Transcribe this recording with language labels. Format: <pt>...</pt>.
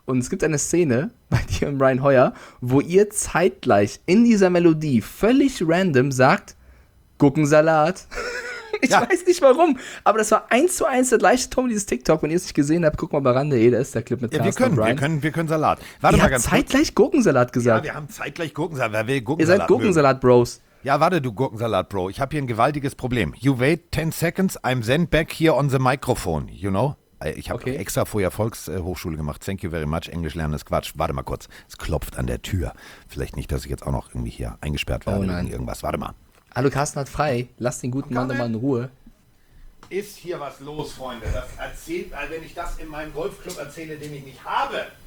<de>Und es gibt eine Szene bei dir und Brian Hoyer, wo ihr zeitgleich in dieser Melodie völlig random sagt, Gurkensalat. Ich weiß nicht warum, aber das war 1:1 der gleiche Ton dieses TikTok. Wenn ihr es nicht gesehen habt, guck mal bei Rande, da ist der Clip mit Carsten und Brian. Wir können Salat. Warte ihr mal habt ganz zeitgleich kurz. Gurkensalat gesagt. Ja, wir haben zeitgleich Gurkensalat. Wer will Gurkensalat? Ihr seid Gurkensalat-Bros. Ja, warte, du Gurkensalat-Bro. Ich habe hier ein gewaltiges Problem.</de> <en>You wait 10 seconds, I'm then back here on the microphone. You know?</en> <de>Ich habe extra vorher Volkshochschule gemacht.</de> <en>Thank you very much.</en> <de>Englisch lernen ist Quatsch. Warte mal kurz. Es klopft an der Tür. Vielleicht nicht, dass ich jetzt auch noch irgendwie hier eingesperrt werde wegen irgendwas. Warte mal. Hallo, Carsten hat frei. Lass den guten Mann nochmal in Ruhe. Ist hier was los, Freunde? Das erzählt, also wenn ich das in meinem Golfclub erzähle, den ich nicht habe.</de>